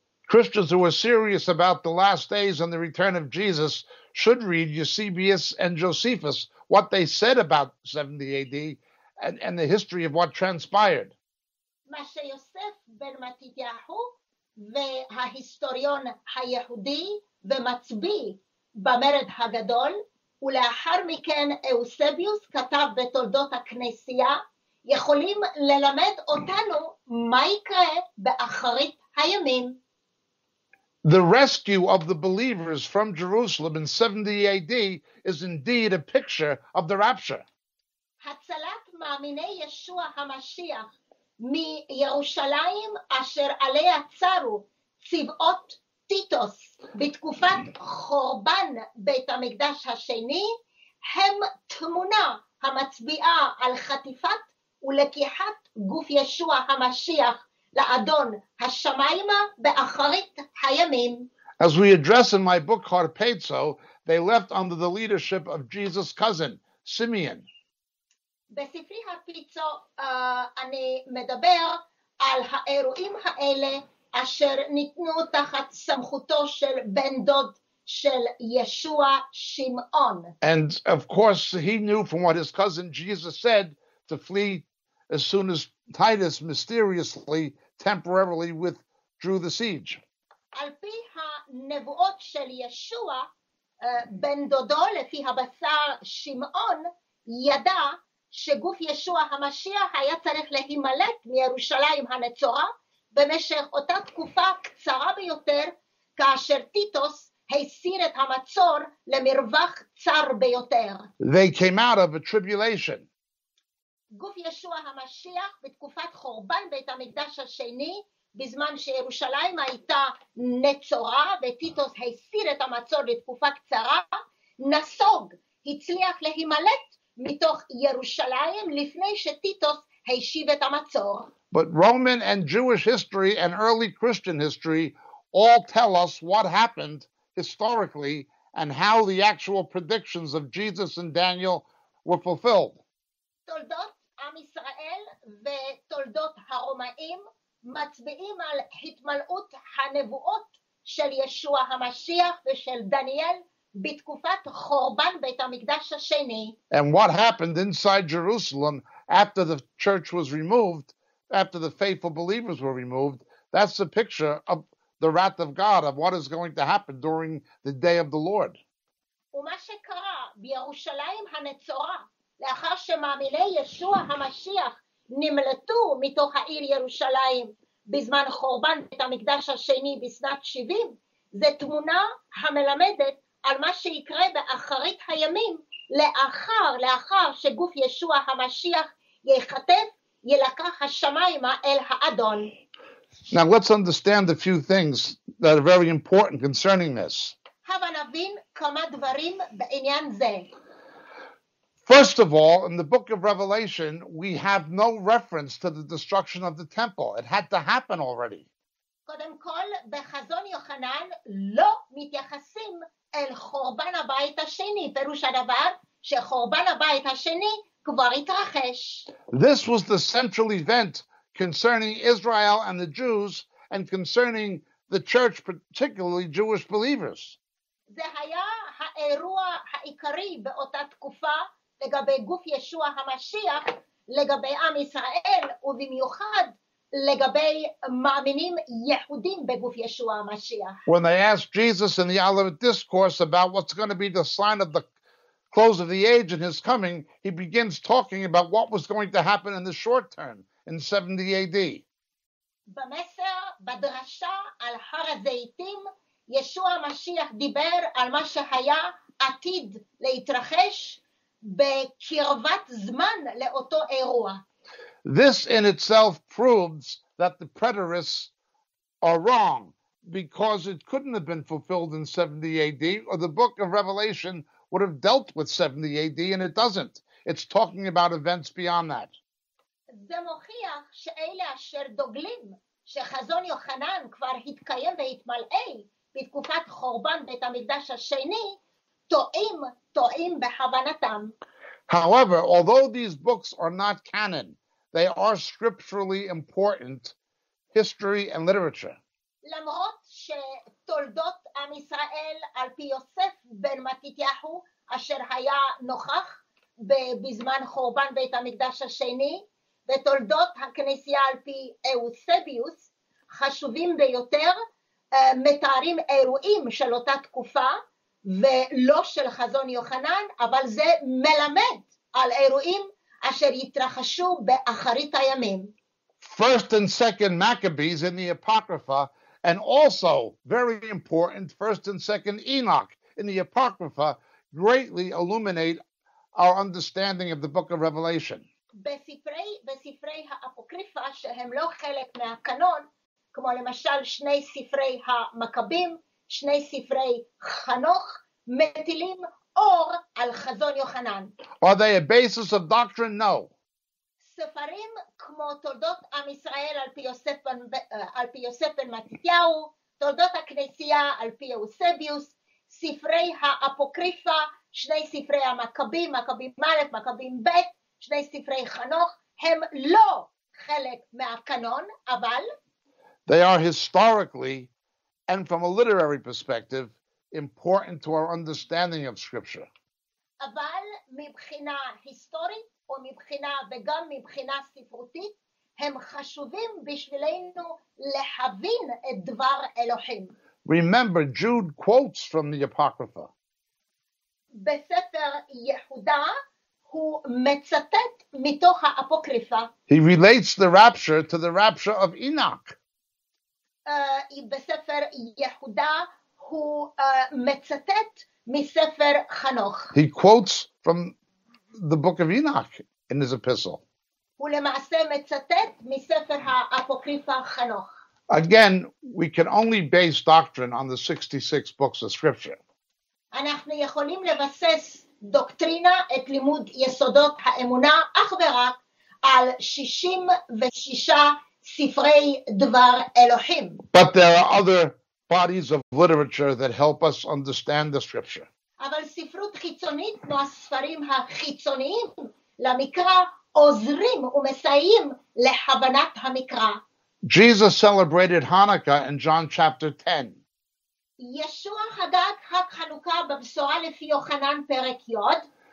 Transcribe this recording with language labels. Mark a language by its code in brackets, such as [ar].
[en] Christians who are serious about the last days and the return of Jesus should read Eusebius and Josephus, what they said about 70 AD and the history of what transpired. [he] מה שיוסף בן מתתיהו וההיסטוריון היהודי ומצבי במרד הגדול ולאחר מכן אוסביוס כתב בתולדות הכנסייה יכולים ללמד אותנו מה יקרה באחרית הימים. [en] The rescue of the believers from Jerusalem in 70 AD is indeed a picture of the rapture. [he] הצלת מאמיני ישוע המשיח מירושלים אשר עליה צרו צבאות טיטוס בתקופת חורבן בית המקדש השני הם תמונה המצביעה על חטיפת ולקיחת גוף ישוע המשיח לאדון השמיימה באחרית הימים. [en] As we address in my book Harpezo, they left under the leadership of Jesus' cousin, Simeon. [he] בספרי הרפיצו אני מדבר על האירועים האלה אשר ניתנו תחת סמכותו של בן דוד של ישוע שמעון. [en] And of course he knew from what his cousin Jesus said to flee as soon as Titus mysteriously temporarily withdrew the siege. [he] על פי הנבואות של ישוע בן דודו לפי הבשר שמעון ידע שגוף ישוע המשיח היה צריך להימלט מירושלים הנצורה במשך אותה תקופה קצרה ביותר כאשר טיטוס הסיר את המצור למרווח צר ביותר. [en] They came out of a tribulation. [he] גוף ישוע המשיח בתקופת חורבן בית המקדש השני בזמן שירושלים הייתה נצורה וטיטוס הסיר את המצור לתקופה קצרה נסוג, הצליח להימלט מתוך ירושלים לפני שטיטוס הישיב את המצור. [en] But Roman and Jewish history and early Christian history all tell us what happened historically and how the actual predictions of Jesus and Daniel were fulfilled. [he] תולדות עם ישראל ותולדות הרומאים מצביעים על התמלאות הנבואות של ישוע המשיח ושל דניאל בתקופת חורבן בית המקדש השני. [en] And what happened inside Jerusalem after the church was removed, after the faithful believers were removed, that's the picture of the wrath of God, of what is going to happen during the day of the Lord. [he] ומה שקרה בירושלים הנצורה, לאחר שמאמיני ישוע המשיח נמלטו מתוך העיר ירושלים בזמן חורבן בית המקדש השני בשנת 70, זה תמונה המלמדת על מה שיקרה באחרית הימים לאחר שגוף ישוע המשיח ייחטף ילקח השמיימה אל האדון. [en] Now let's understand a few things that are very important concerning this. [he] הבה נבין כמה דברים בעניין זה. [en] First of all, in the book of Revelation, we have no reference to the destruction of the temple. It had to happen already. [he] קודם כל, בחזון יוחנן לא מתייחסים אל חורבן הבית השני, פירוש הדבר שחורבן הבית השני כבר התרחש. [en] This was the central event concerning Israel and the Jews and concerning the church, particularly Jewish believers. [he] זה היה האירוע העיקרי באותה תקופה לגבי גוף ישוע המשיח, לגבי עם ישראל, ובמיוחד לגבי מאמינים יהודים בגוף ישוע המשיח. [en] When they asked Jesus in the Olivet Discourse about what's going to be the sign of the close of the age and his coming, he begins talking about what was going to happen in the short term in 70 AD. [he] במסר, בדרשה על הר הזיתים, ישוע המשיח דיבר על מה שהיה עתיד להתרחש בקרבת זמן לאותו אירוע. [en] This in itself proves that the preterists are wrong, because it couldn't have been fulfilled in 70 AD, or the book of Revelation would have dealt with 70 AD, and it doesn't. It's talking about events beyond that. [he] זה מוכיח שאלה אשר דוגלים שחזון יוחנן כבר התקיים והתמלא בתקופת חורבן בית המקדש השני, טועים בהבנתם. [en] However, although these books are not canon, they are scripturally important history and literature. [he] למרות שתולדות עם ישראל על פי יוסף בן מתתיהו, אשר היה נוכח בזמן חורבן בית המקדש השני, ותולדות הכנסייה על פי אוסביוס, חשובים ביותר, מתארים אירועים של אותה תקופה, ולא של חזון יוחנן, אבל זה מלמד על אירועים אשר יתרחשו באחרית הימים. [en] First and second Maccabees in the Apocrypha, and also very important, first and second Enoch in the Apocrypha, greatly illuminate our understanding of the book of Revelation. [he] בספרי האפוקריפה, שהם לא חלק מהקנון, כמו למשל שני ספרי המכבים, שני ספרי חנוך, מטילים אור על חזון יוחנן. [en] Are they a basis of doctrine? No. [he] ספרים כמו תולדות עם ישראל על פי יוסף בן מתתיהו, תולדות הכנסייה על פי אוסביוס, ספרי האפוקריפה, שני ספרי המכבים, מכבים א', מכבים ב', שני ספרי חנוך, הם לא חלק מהקנון, אבל [en] they are historically and from a literary perspective important to our understanding of scripture. [he] אבל מבחינה היסטורית ומבחינה וגם מבחינה ספרותית, הם חשובים בשבילנו להבין את דבר אלוהים. [en] Remember, Jude quotes from the Apocrypha. [he] בספר יהודה הוא מצטט מתוך האפוקריפה. [en] He relates the rapture to the rapture of Enoch. [he] בספר יהודה הוא מצטט מספר חנוך. [en] He quotes from the book of Enoch in his epistle. [he] הוא למעשה מצטט מספר האפוקריפה חנוך. [en] Again, we can only base doctrine on the 66 books of scripture. [he] אנחנו יכולים לבסס דוקטרינה, את לימוד יסודות האמונה, אך ורק על 66 ספרי דבר אלוהים. [en] But there are other bodies of literature that help us understand the scripture. [he] אבל ספרות חיצונית, כמו הספרים החיצוניים למקרא, עוזרים ומסייעים להבנת המקרא. [en] Jesus celebrated Hanukkah in John chapter 10. [he] ישוע חגג חג חנוכה בבשורה לפי יוחנן פרק יוד.